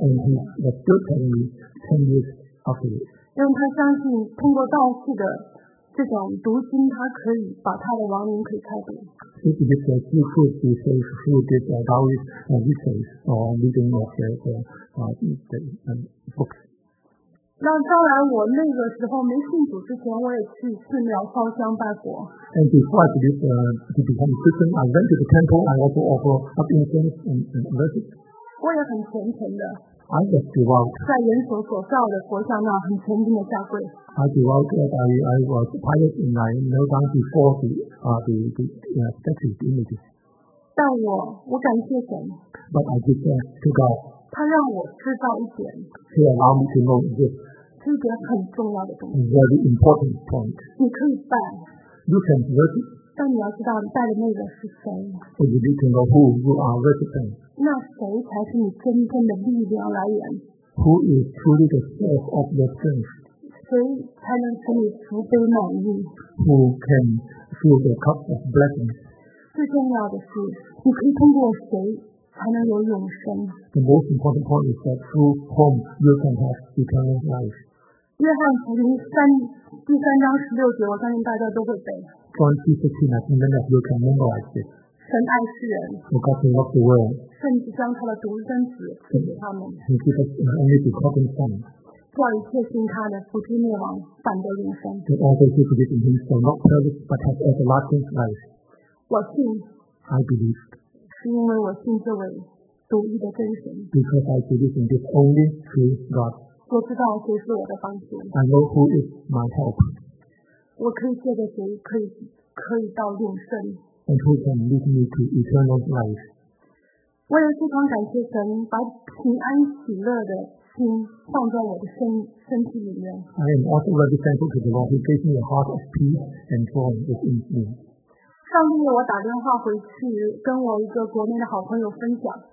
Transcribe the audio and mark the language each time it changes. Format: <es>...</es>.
<en>And he was still telling me 10 years after it.</en> <zh>因为他相信通过道士的这种读经，他可以把他的亡灵可以开动。</zh> <en>He believes that through the faith, through this Taoist and this faith, or reading of the books.</en> <zh>那当然，我那个时候没信主之前，我也去寺庙烧香拜佛。</zh> <en>And before I believed to become a Christian, I went to the temple. I also offered up incense and worship.</en> <zh>我也很虔诚的。</zh> <en>I was devout.</en> <zh>在人所所造的佛像那很虔诚的下跪。</zh> <en>I devout that I was pious and I knelt down before the statue, the images.</en> <zh>但我感谢神。</zh> <en>But I give thanks to God.</en> <zh>他让我知道一点。</zh> <en>He allowed me to know this.</en> <zh>这点很重要的东西。</zh> <en>Very important point.</en> <zh>你可以拜。</zh> <en>You can worship.</en> <zh>但你要知道你拜的那个是谁。</zh> <en>So you need to know who you are worshiping.</en> <zh>那谁才是你真正的力量来源</zh> <en>？Who is truly the source of your strength?</en> <zh>谁才能使你福杯满溢</zh> <en>？Who can fill the cup of blessings?</en> <zh>最重要的是，你可以通过谁？才能有永生。</zh> <en>The most important point is that through whom you can have eternal life.</en> <zh>约翰福音第三章16节，我相信大家都会背。</zh> <en>John 3:16, I think many of you can memorize this.</en> <zh>神爱世人。</zh> <en>For God so loved the world.</en> <zh>甚至将他的独生子赐给他们。</zh> <en>He gave us an only begotten Son.</en> <zh>叫一切信他的不至灭亡，反得永生。</zh> <en>That all those who believe in Him shall not perish but have everlasting life.</en> <zh>我信。</zh> <en>I believe.</en> <zh>是因为我信这位独一的真神。</zh> <en>Because I believe in this only true God.</en> <zh>我知道谁是我的帮助。</zh> <en>I know who is my help.</en> <zh>我可以借着谁可以到永生。</zh> <en>And who can lead me to eternal life?</en> <zh>我也非常感谢神，把平安喜乐的心放在我的身体里面。</zh> <en>I am also very thankful to the Lord who gave me a heart of peace and joy within me.</en> <zh>上个月我打电话回去跟我一个国内的好朋友分享。</zh>